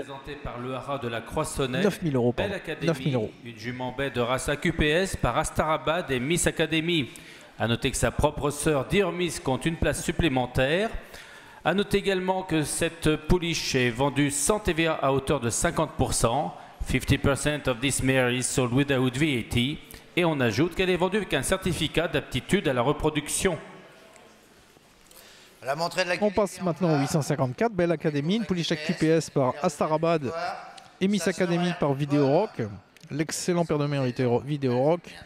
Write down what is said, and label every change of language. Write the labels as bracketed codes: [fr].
[fr] Présenté par le Haras de la Croissonnet. 9000 euros, pardon. Academy, 9000 euros. Une jument baie de race AQPS par Astarabad et Miss Academy. A noter que sa propre sœur, Dirmis, compte une place supplémentaire. A noter également que cette pouliche est vendue sans TVA à hauteur de 50%. [en] 50% of this mare is sold without VAT. [fr] Et on ajoute qu'elle est vendue avec un certificat d'aptitude à la reproduction. La montrée de la on passe maintenant au 854, Belle Académie, une pouliche AQPS par Astarabad et Miss Academy par Vidéorock. L'excellent père de mère était Vidéorock.